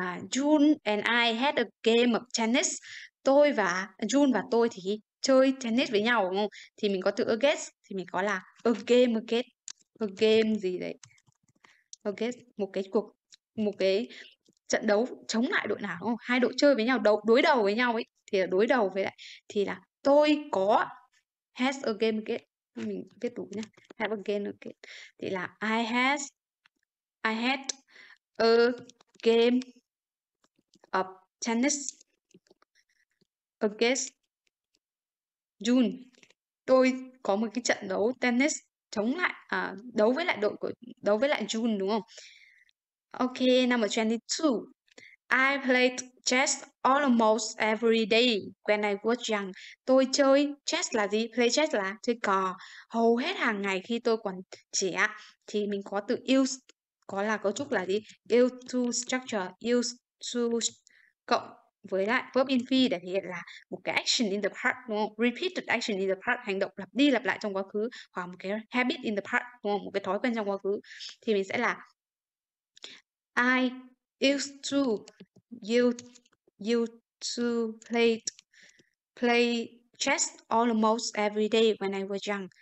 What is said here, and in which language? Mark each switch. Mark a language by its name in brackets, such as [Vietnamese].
[English] June and I had a game of tennis. [Vietnamese] Tôi và June và tôi thì chơi tennis với nhau đúng không? Thì mình có từ against thì mình có là a game gì đấy. Against một cái trận đấu chống lại đội nào đúng không? Hai đội chơi với nhau đối đầu với nhau ấy thì là đối đầu với lại thì là tôi có [English] has a game against. [Vietnamese] Mình viết đủ nhá. [English] Have a game against. [Vietnamese] Thì là [English] I had a game of tennis against June. [Vietnamese] Tôi có một cái trận đấu tennis chống lại đấu với lại đội của đấu với lại June đúng không? [English] Ok, number 22. I played chess almost every day when I was young. [Vietnamese] Tôi chơi chess là gì? [English] Play chess [Vietnamese] là chơi cờ. Hầu hết hàng ngày khi tôi còn trẻ thì mình có từ use có là cấu trúc là gì? [English] Use to structure, use to [Vietnamese] cộng với lại [English] verb in be [Vietnamese] để thể hiện là một cái [English] action in the past, [Vietnamese] đúng không? [English] Repeated action in the past, [Vietnamese] hành động lặp đi lặp lại trong quá khứ hoặc một cái [English] habit in the past, [Vietnamese] đúng không? Một cái thói quen trong quá khứ thì mình sẽ là [English] I used to play chess almost every day when I was young.